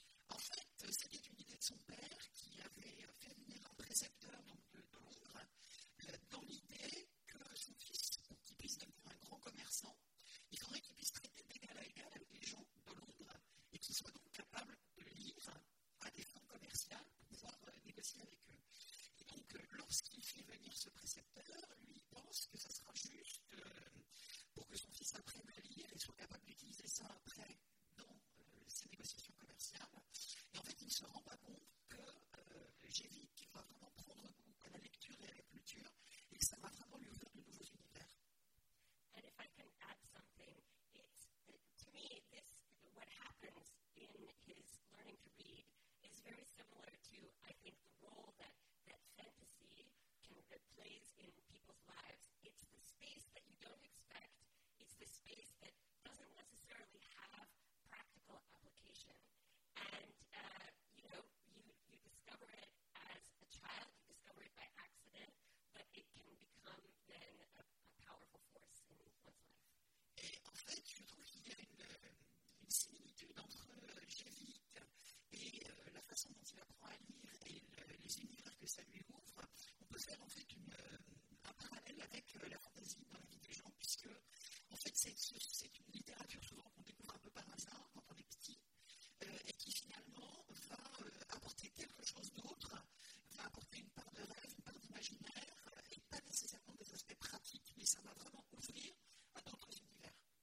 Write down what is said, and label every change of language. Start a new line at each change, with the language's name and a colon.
French: En fait, c'était une idée de son père qui avait fait venir un précepteur de Londres dans l'idée que son fils, pour qu'il puisse devenir un grand commerçant, il faudrait qu'il puisse traiter d'égal à égal avec les gens de Londres et qu'il soit donc capable de lire à des fins commerciales pour pouvoir négocier avec eux. Et donc, lorsqu'il fait venir ce précepteur, lui pense que ça sera juste pour que son fils apprenne à lire et soit capable d'utiliser ça après dans ses négociations commerciales. Et en fait, il ne se rend pas compte que Jevik va vraiment prendre goût à la lecture et à la culture et que ça va vraiment lui ouvrir de nouveaux univers.
English: And if I can add something, it's, to me, this, what happens in his learning to read is very similar to, I think, the role that fantasy that plays in people's lives. It's the space that you don't expect. It's the space that doesn't necessarily have practical application. And, you know, you discover it as a child. You discover it by accident. But it can become then a powerful force in one's life.
French: Et en fait, je trouve qu'il y a une similitude entre Jevik et la façon dont il apprend à lire et les univers que ça lui ouvre. On peut faire en fait un parallèle avec la fantaisie dans la vie des gens, puisque en fait, c'est une littérature souvent qu'on découvre un peu par hasard quand on est petit, et qui finalement va apporter quelque chose d'autre, va apporter une part de rêve, une part d'imaginaire, et pas nécessairement des aspects pratiques, mais ça va vraiment ouvrir à d'autres univers.